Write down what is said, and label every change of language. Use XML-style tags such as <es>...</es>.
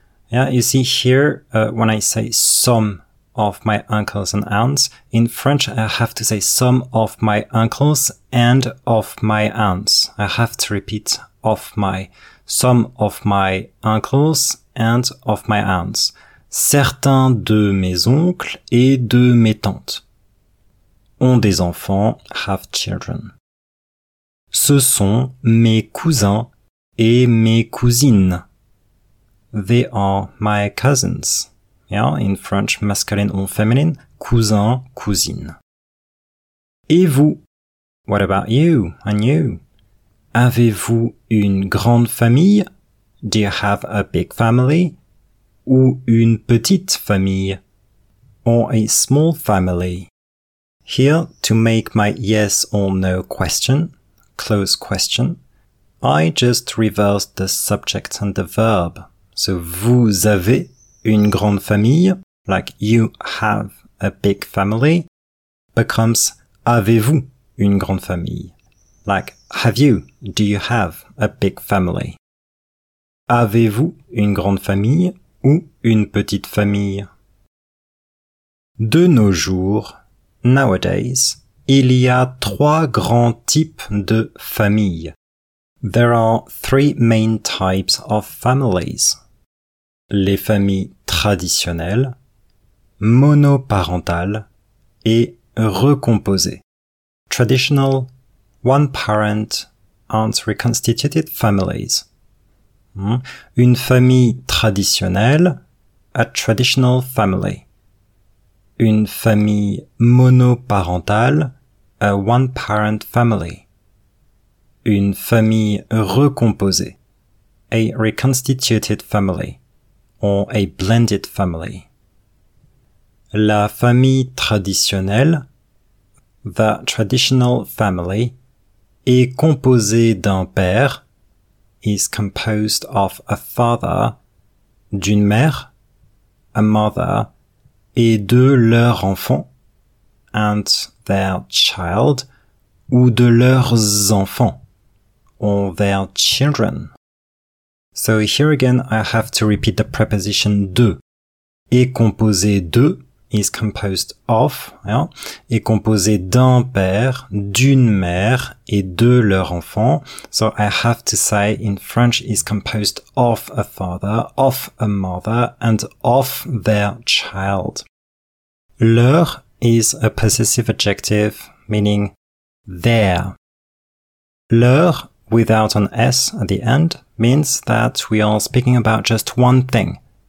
<en>Yeah, you see here, when I say some of my uncles and aunts. In French, I have to say some of my uncles and of my aunts. I have to repeat of my, some of my uncles and of my aunts.</en> <fr>Certains de mes oncles et de mes tantes ont des enfants,</fr> <en>have children.</en> <fr>Ce sont mes cousins et mes cousines.</fr> <en>They are my cousins. Yeah, in French, masculine or feminine, cousin, cousine.</en> <fr>Et vous?</fr> <en>What about you and you?</en> <fr>Avez-vous une grande famille?</fr> <en>Do you have a big family?</en> <fr>Ou une petite famille?</fr> <en>Or a small family? Here, to make my yes or no question, close question, I just reverse the subject and the verb. So,</en> <fr>vous avez une grande famille,</fr> <en>like you have a big family, becomes</en> <fr>avez-vous une grande famille,</fr> <en>like have you, do you have a big family?</en> <fr>Avez-vous une grande famille ou une petite famille? De nos jours,</fr> <en>nowadays,</en> <fr>il y a trois grands types de familles.</fr> <en>There are three main types of families.</en> <fr>Les familles traditionnelles, monoparentales et recomposées.</fr> <en>Traditional, one-parent and reconstituted families.</en> <fr>Une famille traditionnelle,</fr> <en>a traditional family.</en> <fr>Une famille monoparentale,</fr> <en>a one-parent family.</en> <fr>Une famille recomposée,</fr> <en>a reconstituted family. Or a blended family.</en> <fr>La famille traditionnelle,</fr> <en>the traditional family,</en> <fr>est composée d'un père,</fr> <en>is composed of a father,</en> <fr>d'une mère,</fr> <en>a mother,</en> <fr>et de leur enfant,</fr> <en>and their child,</en> <fr>ou de leurs enfants,</fr> <en>or their children. So here again, I have to repeat the preposition de.</en> <fr>Est composé de,</fr> <en>is composed of, yeah?</en> <fr>Est composé d'un père, d'une mère et de leur enfant.</fr> <en>So I have to say in French, is composed of a father, of a mother and of their child. Leur is a possessive adjective meaning their. Leur without an S at the end means that we are speaking about just one thing.</en>